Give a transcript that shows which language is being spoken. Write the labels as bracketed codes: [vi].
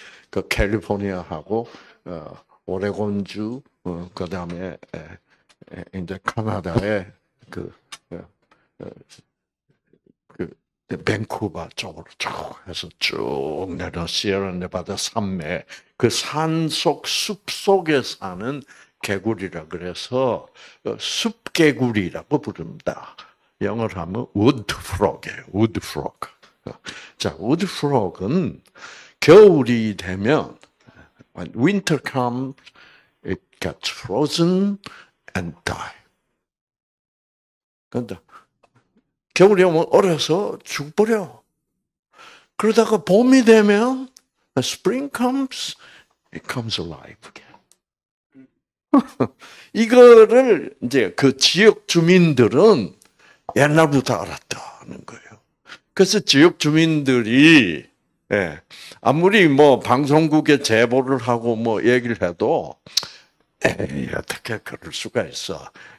[ko] 그 캘리포니아하고 오레곤주 그다음에 이제 카나다의 그 밴쿠버 쪽으로 쭉 해서 쭉 내려 시에라 네바다 산맥 그 산속 숲 속에 사는 개구리라 그래서 숲 개구리라고 부릅니다. 영어로 하면 우드 프로그예요. 우드 프로그. 자, 우드 프로그는 겨울이 되면 [en] when winter comes it gets frozen and die. [ko] 근데 겨울이 오면 얼어서 죽어버려. 그러다가 봄이 되면 [en] when spring comes it comes alive again. [ko] 이거를 이제 그 지역 주민들은 옛날부터 알았다는 거예요. 그래서 지역 주민들이, 예, 아무리 뭐 방송국에 제보를 하고 뭐 얘기를 해도, 에이, 어떻게 그럴 수가 있어.